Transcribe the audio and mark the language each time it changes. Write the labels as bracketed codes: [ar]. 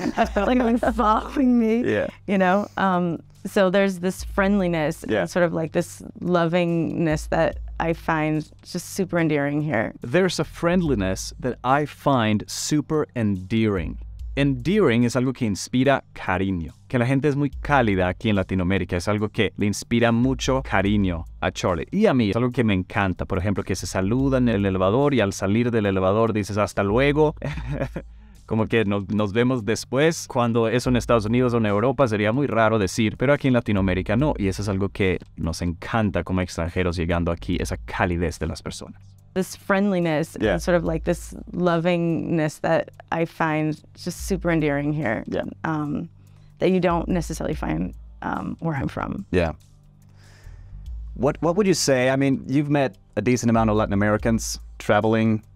[en] Like, I'm following me. Yeah. You know? So there's this friendliness and sort of like this lovingness that I find just super endearing here. There's a friendliness that I find super endearing. [es] Endearing es algo que inspira cariño. Que la gente es muy cálida aquí en Latinoamérica. Es algo que le inspira mucho cariño a Charlie. Y a mí es algo que me encanta. Por ejemplo, que se saludan en el elevador y al salir del elevador dices hasta luego. Como que nos vemos después. Cuando eso en Estados Unidos o en Europa sería muy raro decir. Pero aquí en Latinoamérica no. Y eso es algo que nos encanta como extranjeros llegando aquí. Esa calidez de las personas. [en] This friendliness and sort of like this lovingness that I find just super endearing here. Yeah. That you don't necessarily find where I'm from. Yeah. What would you say? I mean, you've met a decent amount of Latin Americans traveling.